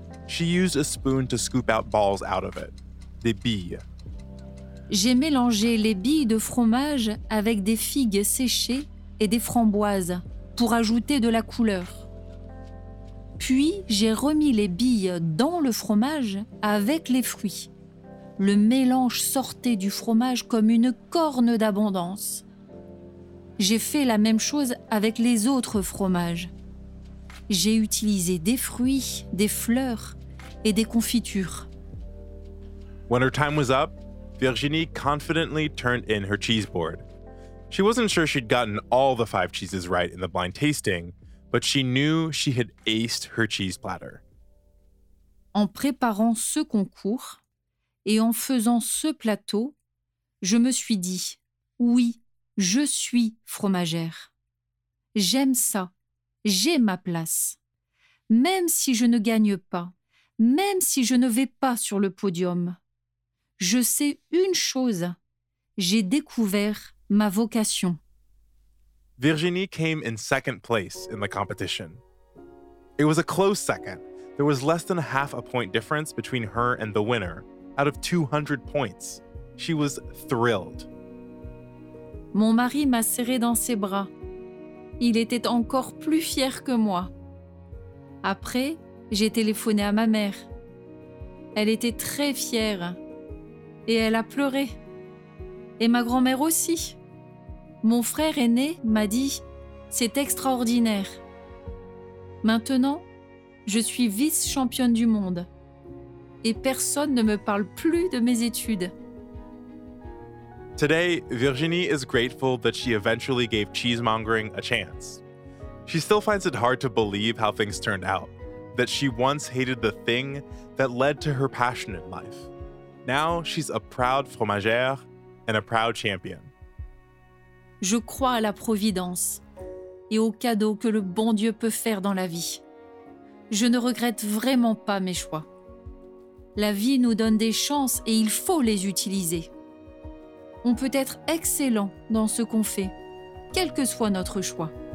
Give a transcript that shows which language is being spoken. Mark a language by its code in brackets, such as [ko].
[en] She used a spoon to scoop out balls out of it, [fr] des billes. J'ai mélangé les billes de fromage avec des figues séchées et des framboises pour ajouter de la couleur. Puis, j'ai remis les billes dans le fromage avec les fruits. Le mélange sortait du fromage comme une corne d'abondance. J'ai fait la même chose avec les autres fromages. J'ai utilisé des fruits, des fleurs et des confitures. [en] When her time was up, Virginie confidently turned in her cheese board. She wasn't sure she'd gotten all the 5 cheeses right in the blind tasting, but she knew she had aced her cheese platter. [fr] En préparant ce concours et en faisant ce plateau, je me suis dit oui. Je suis fromagère. J'aime ça. J'ai ma place. Même si je ne gagne pas, Même si je ne vais pas sur le podium, je sais une chose, j'ai découvert ma vocation. [en] Virginie came in second place in the competition. It was a close second. There was less than a half a point difference between her and the winner. Out of 200 points, she was thrilled. [fr] Mon mari m'a serré dans ses bras. Il était encore plus fier que moi. Après, j'ai téléphoné à ma mère. Elle était très fière et elle a pleuré. Et ma grand-mère aussi. Mon frère aîné m'a dit « C'est extraordinaire ». Maintenant, je suis vice-championne du monde et personne ne me parle plus de mes études. [en] Today, Virginie is grateful that she eventually gave cheesemongering a chance. She still finds it hard to believe how things turned out, that she once hated the thing that led to her passion in life. Now, she's a proud fromagère and a proud champion. [fr] Je crois à la providence et aux cadeaux que le bon Dieu peut faire dans la vie. Je ne regrette vraiment pas mes choix. La vie nous donne des chances et il faut les utiliser. On peut être excellent dans ce qu'on fait, quel que soit notre choix.